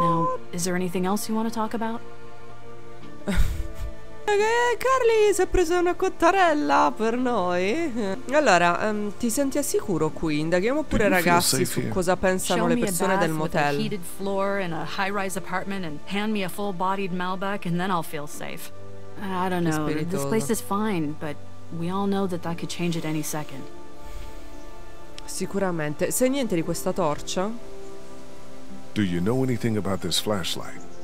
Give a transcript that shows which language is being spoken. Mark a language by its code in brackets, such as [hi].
[en] Now, is there anything else you want to talk about? [it] Carly si è presa una cottarella per noi. Allora, ti senti al sicuro qui? Indaghiamo pure, ragazzi, su cosa pensano le persone del motel. [en] Show me a bath with a heated floor and a high-rise apartment and hand me a full-bodied Malbec and then I'll feel safe. I don't know. This place is fine, but we all know that could change at any second. [it] Sicuramente. Sai niente di questa torcia? [en] Do you know anything about this flashlight?